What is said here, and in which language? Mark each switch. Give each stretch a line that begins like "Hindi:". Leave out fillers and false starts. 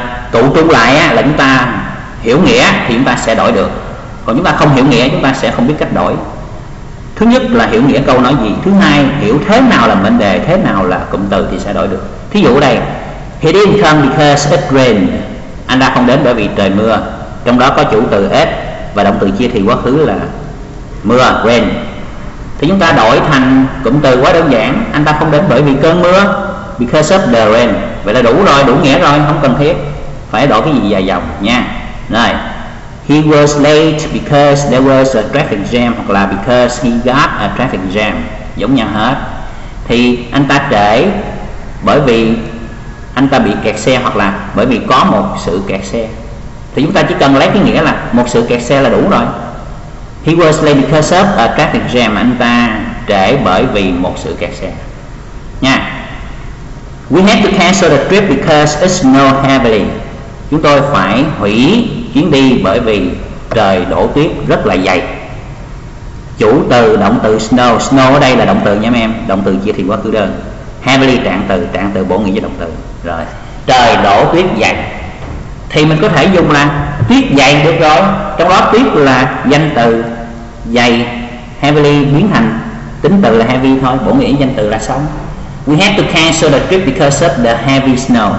Vietnamese: Tụ trung lại là chúng ta hiểu nghĩa thì chúng ta sẽ đổi được, còn chúng ta không hiểu nghĩa chúng ta sẽ không biết cách đổi. Thứ nhất là hiểu nghĩa câu nói gì, thứ hai hiểu thế nào là mệnh đề, thế nào là cụm từ thì sẽ đổi được. Thí dụ đây,
English: he didn't come because it rained.
Vietnamese: Anh ta không đến bởi vì trời mưa. Trong đó có chủ từ it và động từ chia thì quá khứ là mưa, rain. Thì chúng ta đổi thành cụm từ quá đơn giản. Anh ta không đến bởi vì cơn mưa,
English: because of the rain.
Vietnamese: Vậy là đủ rồi, đủ nghĩa rồi, không cần thiết phải đổi cái gì dài dòng nha. Rồi,
English: he was late because there was a traffic jam,
Vietnamese: hoặc là
English: because he got a traffic jam,
Vietnamese: giống nhau hết. Thì anh ta trễ bởi vì anh ta bị kẹt xe hoặc là bởi vì có một sự kẹt xe. Thì chúng ta chỉ cần lấy cái nghĩa là một sự kẹt xe là đủ rồi.
English: He was late because of a traffic jam.
Vietnamese: Anh ta trễ bởi vì một sự kẹt xe. Nha.
English: We had to cancel the trip because it snowed heavily.
Vietnamese: Chúng tôi phải hủy chuyến đi bởi vì trời đổ tuyết rất là dày. Chủ từ động từ snow. Snow ở đây là động từ nha em. Động từ chia thì quá khứ đơn. Heavily trạng từ bổ nghĩa với động từ. Rồi, trời đổ tuyết dày thì mình có thể dùng là tuyết dày được rồi. Trong đó tuyết là danh từ, dày heavily biến thành tính từ là heavy thôi, bổ nghĩa danh từ là xong.
English: We have to cancel the trip because of the heavy snow.